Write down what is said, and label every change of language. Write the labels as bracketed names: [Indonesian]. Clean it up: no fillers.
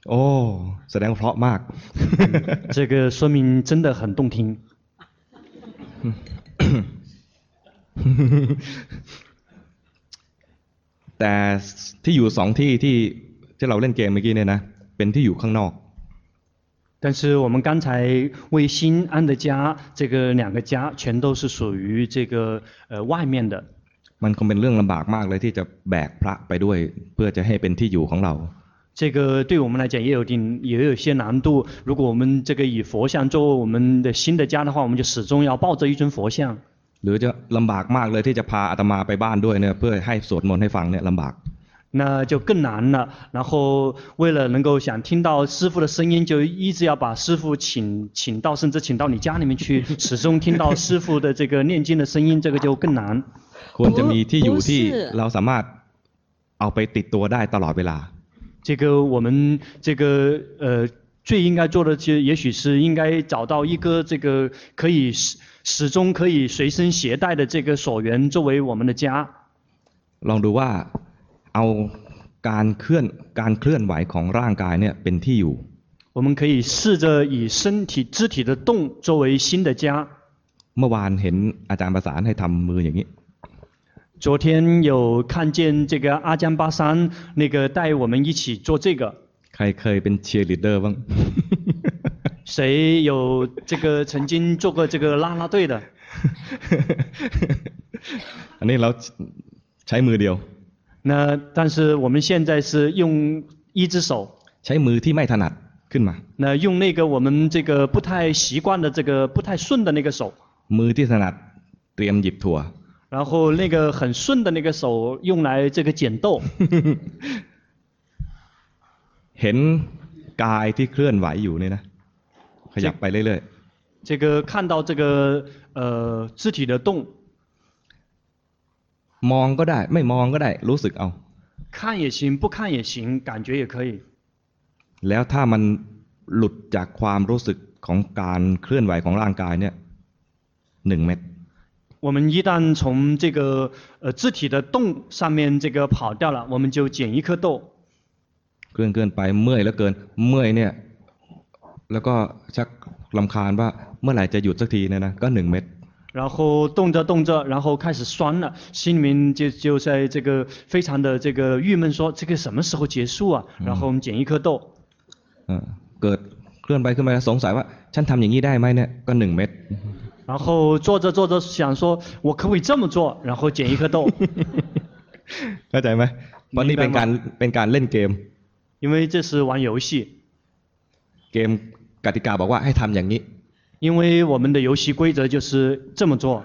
[Thai] โอ้แสดงเพราะมาก [Chinese] 这个说明真的很动听 [Thai] แต่ที่อยู่สองที่ที่เราเล่นเกมเมื่อกี้เนี่ยนะเป็นที่อยู่ข้างนอก [Chinese] 但是我们刚才为心安的家这个两个家全都是属于这个外面的 [Thai] มันคงเป็นเรื่องลำบากมากเลยที่จะแบกพระไปด้วยเพื่อจะให้เป็นที่อยู่ของเรา [Chinese] 这个对我们来讲也有些难度如果我们这个以佛像作为我们的新的家的话我们就始终要抱着一尊佛像 [Thai] หรือจะลำบากมากเลยที่จะพาอาตมาไปบ้านด้วยเนี่ยเพื่อให้สวดมนต์ให้ฟังเนี่ยลำบาก [Chinese] 那就更难了然后为了能够想听到师父的声音就一直要把师父请到甚至请到你家里面去始终听到师父的这个念经的声音这个就更难 [Thai] ควรจะมีที่อยู่ที่เราสามารถเอาไปติดตัวได้ตลอดเวลา [Chinese] 这个我们这个最应该做的其实也许是应该找到一个这个可以始终可以随身携带的这个所缘作为我们的家 [Thai] ลองดูว่าเอาการเคลื่อนไหวของร่างกายเนี่ยเป็นที่อยู่ [Chinese] 我们可以试着以身体肢体的动作为新的家 [Thai] เมื่อวานเห็นอาจารย์ประสานให้ทำมืออย่างนี้ [Chinese] 昨天有看见这个阿江巴山那个带我们一起做这个 [Thai] ใครเคยเป็นเชียร์ลีดเดอร์บ้าง [Chinese] 谁有这个曾经做过这个拉拉队的 [Thai] อันนี้เราใช้มือเดียว [Chinese] 那但是我们现在是用一只手 [Thai] ใช้มือที่ไม่ถนัดขึ้นมา [Chinese] 那用那个我们这个不太习惯的这个不太顺的那个手 [Thai] มือที่ถนัดเตรียมหยิบถั่ว [Chinese] 然后那个很顺的那个手用来这个剪豆 [Thai] เห็นกายที่เคลื่อนไหวอยู่เนี่ยนะขยับไปเรื่อย [Chinese] ๆ这个看到这个肢体的动 [Thai] มองก็ได้ไม่มองก็ได้รู้สึกเอา [Chinese] 看也行不看也行感觉也可以 [Thai] แล้วถ้ามันหลุดจากความรู้สึกของการเคลื่อนไหวของร่างกายเนี่ย1เมตร [Chinese] 我们一旦从这个肢体的动上面这个跑掉了我们就捡一颗豆 [Thai] เกินไปเมื่อยแล้วเกินเมื่อยเนี่ยแล้วก็ชักรำคาญว่าเมื่อไหร่จะหยุดสักทีเนี่ยนะก็1เม็ด [Chinese] 然后动着然后开始酸了心里面就在这个非常的这个郁闷说这个什么时候结束啊然后我们捡一颗豆 [Thai] เกิดเคลื่อนไปขึ้นมาสงสัยว่าฉันทำอย่างนี้ได้ไหมเนี่ยก็1เม็ด [Chinese] 然后坐着坐着想说我可不可以这么做然后捡一颗豆 [Thai] เข้าใจไหมวันนี้เป็นการเล่นเกม [Chinese] 因为这是玩游戏 [Thai] เกมกติกาบอกว่าให้ทำอย่างนี้ [Chinese] 因为我们的游戏规则就是这么做